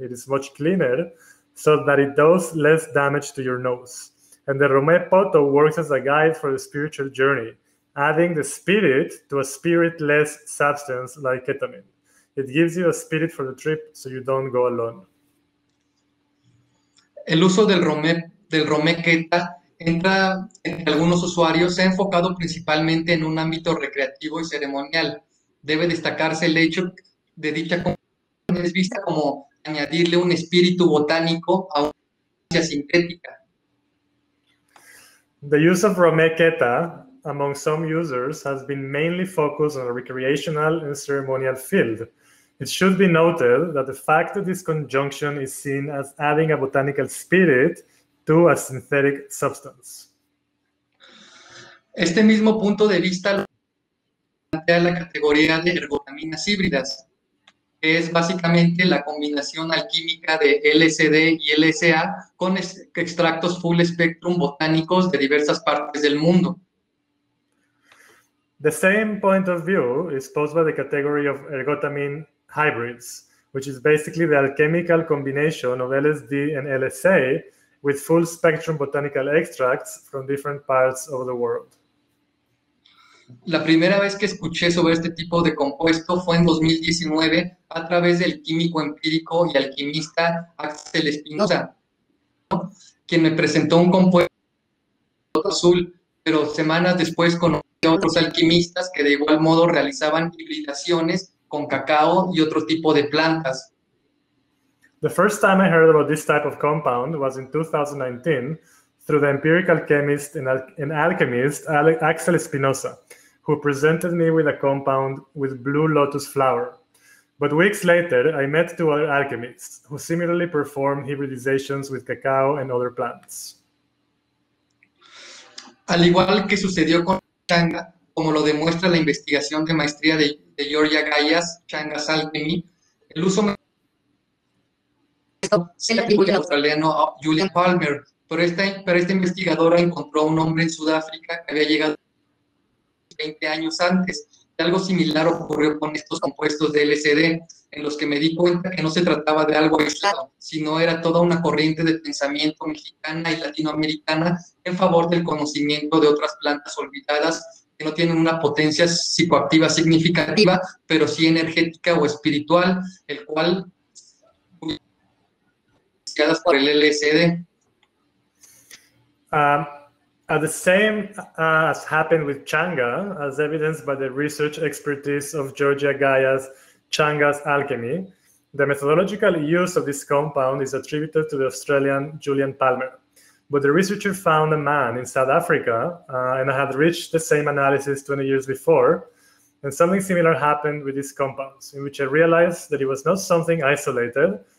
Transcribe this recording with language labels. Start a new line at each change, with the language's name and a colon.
English: It is much cleaner so that it does less damage to your nose. And the Romé Poto works as a guide for the spiritual journey, adding the spirit to a spiritless substance like ketamine. It gives you a spirit for the trip so you don't go alone."
Spanish: El uso del Romé Keta entra en algunos usuarios, se ha enfocado principalmente en un ámbito recreativo y ceremonial. Debe destacarse el hecho de dicha combinación es vista como añadirle un espíritu botánico a una sustancia sintética.
English: The use of Romé Keta among some users has been mainly focused on a recreational and ceremonial field. It should be noted that the fact that this conjunction is seen as adding a botanical spirit to a synthetic substance.
Spanish: Este mismo punto de vista plantea la categoría de ergotaminas híbridas, que es básicamente la combinación alquímica de LSD y LSA con extractos full spectrum botánicos de diversas partes del mundo.
English: The same point of view is posed by the category of ergotamine hybrids, which is basically the alchemical combination of LSD and LSA with full spectrum botanical extracts from different parts of the world.
Spanish: La primera vez que escuché sobre este tipo de compuesto fue en 2019 a través del químico empírico y alquimista Axel Espinosa, quien me presentó un compuesto azul, pero semanas después conocí a otros alquimistas que de igual modo realizaban hibridaciones con cacao y otro tipo de plantas.
English: The first time I heard about this type of compound was in 2019 through the empirical chemist and alchemist Axel Espinosa, who presented me with a compound with blue lotus flower. But weeks later, I met two other alchemists who similarly performed hybridizations with cacao and other plants.
Spanish: Al igual que sucedió con Changa, como lo demuestra la investigación de maestría de Georgia Gallas, Changa's Alchemy, el uso se le atribuye al australiano Julian Palmer, pero esta investigadora encontró a un hombre en Sudáfrica que había llegado 20 años antes, y algo similar ocurrió con estos compuestos de LSD, en los que me di cuenta que no se trataba de algo aislado, sino era toda una corriente de pensamiento mexicana y latinoamericana en favor del conocimiento de otras plantas olvidadas que no tienen una potencia psicoactiva significativa, pero sí energética o espiritual, el cual por el LSD.
English: At the same as happened with Changa, as evidenced by the research expertise of Georgia Gaia's Changa's Alchemy, the methodological use of this compound is attributed to the Australian Julian Palmer. But the researcher found a man in South Africa and had reached the same analysis 20 years before, and something similar happened with these compounds, in which I realized that it was not something isolated,